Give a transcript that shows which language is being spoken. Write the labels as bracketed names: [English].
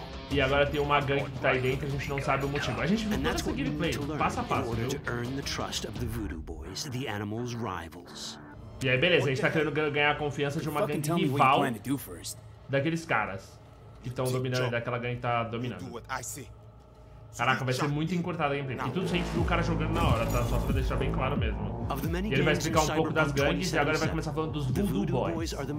[Portuguese] E agora tem uma gangue que tá aí dentro e a gente não sabe o motivo. A gente viu toda essa gameplay, passo a passo, viu? [English] To earn the trust of the Voodoo Boys, the animals' rivals. [Portuguese] E aí, beleza, a gente tá querendo ganhar a confiança de uma gangue rival daqueles caras que estão dominando e daquela gangue que tá dominando. Caraca, vai ser muito encurtado a gameplay. E tudo sem o cara jogando na hora, tá? Só pra deixar bem claro mesmo. E ele vai explicar um pouco das gangues e agora vai começar falando dos Voodoo Boys.